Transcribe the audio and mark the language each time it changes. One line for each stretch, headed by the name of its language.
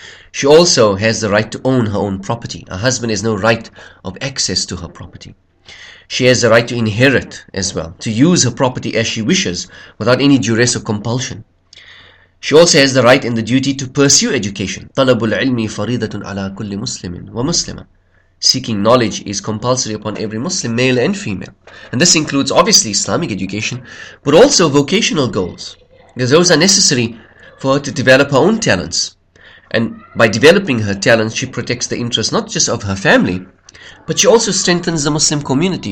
English: She also has the right to own her own property. Her husband has no right of access to her property. She has the right to inherit as well, to use her property as she wishes without any duress or compulsion. She also has the right and the duty to pursue education.
Arabic: طلب العلم فريضة على كل مسلم ومسلمة.
English: Seeking knowledge is compulsory upon every Muslim, male and female. And this includes obviously Islamic education, but also vocational goals, because those are necessary for her to develop her own talents. And by developing her talents, she protects the interests not just of her family, but she also strengthens the Muslim community.